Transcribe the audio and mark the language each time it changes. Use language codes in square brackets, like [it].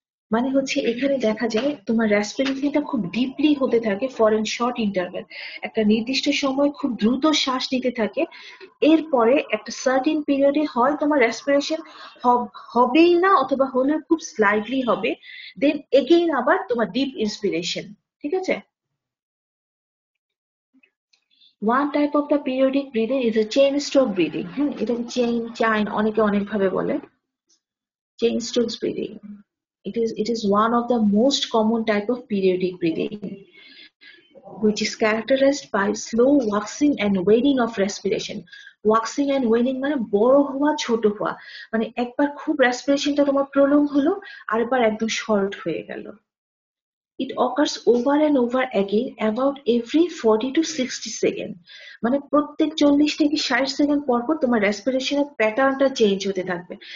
[bn] মানে হচ্ছে এখানে দেখা যায় তোমার রেসপিরেশনটা খুব ডিপলি হতে থাকে [en] for an short interval, [bn] একটা নির্দিষ্ট সময় খুব দ্রুত শ্বাস নিতে থাকে, এরপরে একটা সার্টিন পিরিয়ডে হয় তোমার রেসপিরেশন হবেই না অথবা হলে খুব স্লাইটলি হবে, [en] then again [bn] আবার তোমার ডিপ ইন্সপিরেশন, ঠিক আছে। [en] one type of the periodic breathing is a Cheyne stroke breathing, [bn] হ্যাঁ, এটা চেইন চাইন অনেকে অনেক ভাবে বলে, [en] Cheyne stroke breathing. It is one of the most common type of periodic breathing, which is characterized by slow waxing and waning of respiration. Waxing and waning [bn] মানে বড় হওয়া ছোট হওয়া, মানে একবার খুব রেসপিরেশনটা তোমার প্রলং হলো, আরেকবার একদম শর্ট হয়ে গেল। [en] it occurs over and over again about every 40 to 60 second, [bn] মানে প্রত্যেক 40 থেকে 60 সেকেন্ড পর পর তোমার রেসপিরেশনের প্যাটার্নটা চেঞ্জ হতে থাকবে।